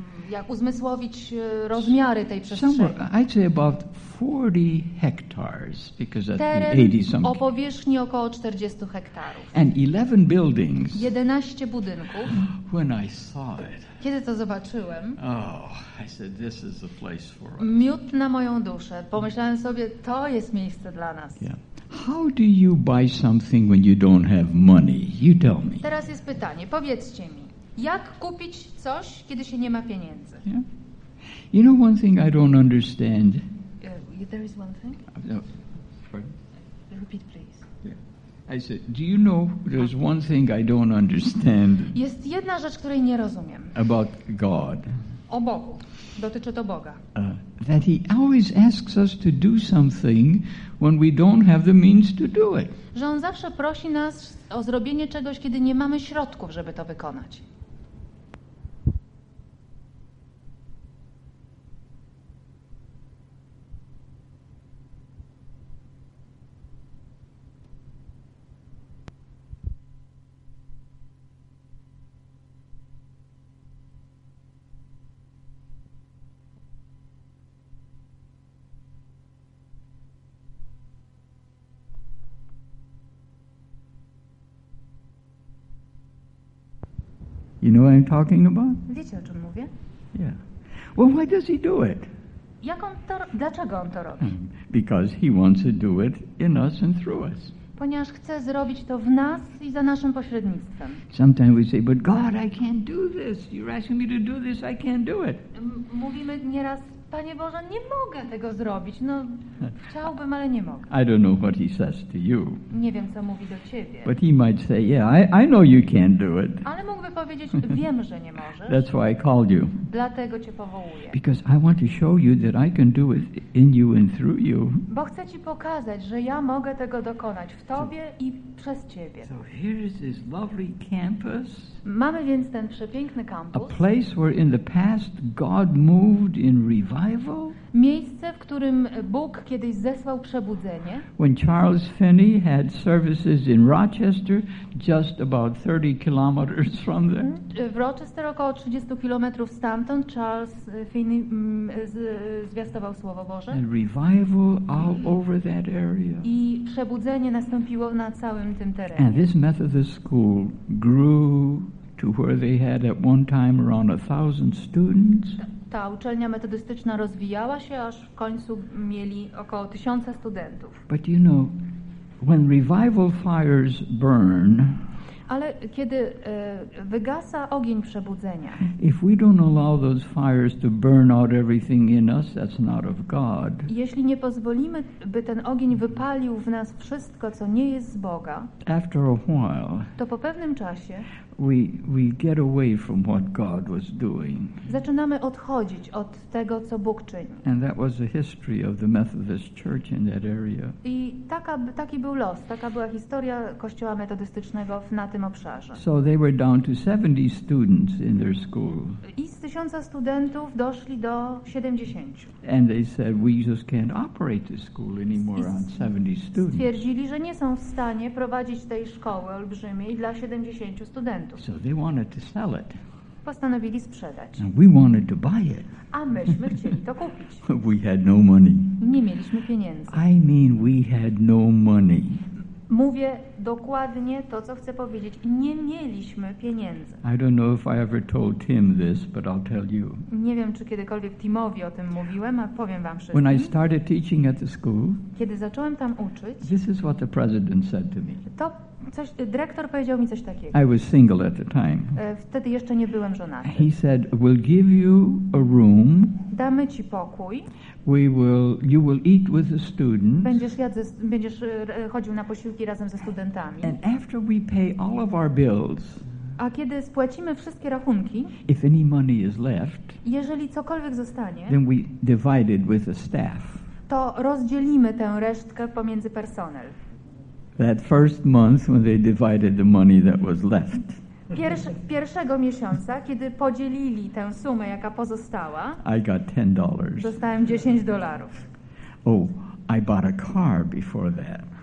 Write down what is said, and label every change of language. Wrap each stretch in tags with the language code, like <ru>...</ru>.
<pl>jak uzmysłowić rozmiary tej przestrzeni.</pl> <en>Somewhere, I'd say about 40 hectares, because that's</en> <pl>teren</pl> <en>80 something.</en> <pl>O powierzchni około 40 hektarów.</pl> <en>And 11 buildings.</en> <pl>11 budynków.</pl> <en>When I saw it.</en> <pl>Kiedy to zobaczyłem,</pl> <en>I said, this is the place for us.</en> <pl>Miód na moją duszę. Pomyślałem sobie, to jest miejsce dla nas.</pl> <en>Yeah. How do you buy something when you don't have money? You tell me.</en> <pl>Teraz jest pytanie. Powiedzcie mi, jak kupić coś, kiedy się nie ma pieniędzy?</pl> <en>Yeah. You know one thing I don't understand. There is one thing. Pardon? Repeat, please. Yeah. I said, do you know there's one thing I don't understand?</en> <pl>Jest jedna rzecz, której nie rozumiem.</pl> <en>About God.</en> <pl>O Bogu. Dotyczy to Boga.</pl> <en>That he always asks us to do something when we don't have the means to do it.</en> <pl>Że on zawsze prosi nas o zrobienie czegoś, kiedy nie mamy środków, żeby to wykonać.</pl> <en>You know what I'm talking about?</en> <pl>Wiecie, o czym mówię?</pl> <en>Yeah. Well, why does he do it?</en> <pl>Jak on to, dlaczego on to robi?</pl> <en>Because he wants to do it in us and through us.</en> <pl>Ponieważ chce zrobić to w nas i za naszym pośrednictwem.</pl> <en>Sometimes we say, but God, I can't do this. You're asking me to do this, I can't do it.</en> <pl>Mówimy nieraz, Panie Boże, nie mogę tego zrobić. No, chciałbym, ale nie mogę.</pl> <en>I don't know what he says to you.</en> <pl>Nie wiem, co mówi do ciebie.</pl> <en>But he might say, yeah, I know you can't do it.</en> <pl>Ale mógłby powiedzieć, wiem, że nie możesz.</pl> <en>That's why I called you.</en> <pl>Dlatego cię powołuję.</pl> <en>Because I want to show you that I can do it in you and through you.</en> <pl>Bo chcę ci pokazać, że ja mogę tego dokonać w tobie i przez ciebie.</pl> <en>So here is this lovely campus.</en> <pl>Mamy więc ten przepiękny kampus.</pl> <en>A place where in the past God moved in revival.</en> <pl>Miejsce, w którym Bóg kiedyś zesłał przebudzenie.</pl> <en>When Charles Finney had services in Rochester, just about 30 kilometers from there.</en> <pl>W Rochester, około 30 kilometrów stamtąd, Charles Finney zwiastował Słowo Boże.</pl> <en>And revival all over that area.</en> <pl>I przebudzenie nastąpiło na całym tym terenie.</pl> <en>And this Methodist school grew to where they had at one time around 1,000 students.</en> <pl>Ta uczelnia metodystyczna rozwijała się, aż w końcu mieli około 1,000 studentów.</pl> <en>But you know, when revival fires burn,</en> <pl>ale kiedy wygasa ogień przebudzenia,</pl> <en>if we don't allow those fires to burn out everything in us, that's not of God.</en> <pl>Jeśli nie pozwolimy, by ten ogień wypalił w nas wszystko, co nie jest z Boga,</pl> <en>after a while,</en> <pl>to po pewnym czasie</pl> <en>we get away from what God was doing.</en> <pl>Zaczynamy odchodzić od tego, co Bóg czyni.</pl> <en>And that was the history of the Methodist Church in that area.</en> <pl>I taki był los, taka była historia kościoła metodystycznego na tym obszarze.</pl> <en>So they were down to 70 students in their school.</en> <pl>I z 1,000 studentów doszli do 70.</pl> <en>And they said, we just can't operate this school anymore on 70 students.</en> <pl>Stwierdzili, że nie są w stanie prowadzić tej szkoły olbrzymiej dla 70 studentów.</pl> <en>So they wanted to sell it.</en> <pl>Postanowili sprzedać.</pl> <en>And we wanted to buy it.</en> <pl>A myśmy chcieli to kupić.</pl> <en>We had no money.</en> <pl>Nie mieliśmy pieniędzy.</pl> <en>I mean, we had no money.</en> <pl>Mówię dokładnie to, co chcę powiedzieć. Nie mieliśmy pieniędzy.</pl> <en>I don't know if I ever told Tim this, but I'll tell you.</en> <pl>Nie wiem, czy kiedykolwiek Timowi o tym mówiłem, a powiem wam wszystkim.</pl> <en>When I started teaching at the school,</en> <pl>kiedy zacząłem tam uczyć,</pl> <en>this is what the president said to me.</en> <pl>To coś, dyrektor powiedział mi coś takiego.</pl> <en>I was single at the time.</en> <pl>Wtedy jeszcze nie byłem żonaty.</pl> <en>He said, we'll give you a room.</en> <pl>Damy ci pokój.</pl> <en>You will eat with the students.</en> <pl>Będziesz chodził na posiłki razem ze studentami.</pl> <en>And after we pay all of our bills,</en> <pl>a kiedy spłacimy wszystkie rachunki,</pl> <en>if any money is left,</en> <pl>jeżeli cokolwiek zostanie,</pl> <en>then we divide it with the staff.</en> <pl>To rozdzielimy tę resztkę pomiędzy personel.</pl> <en>That first month when they divided the money that was left.</en> <pl>Pierwszego miesiąca, kiedy podzielili tę sumę, jaka pozostała,</pl> <en>I got $10.</en> <pl>Dostałem $10.</pl> <en>Oh, I bought a car before that.</en>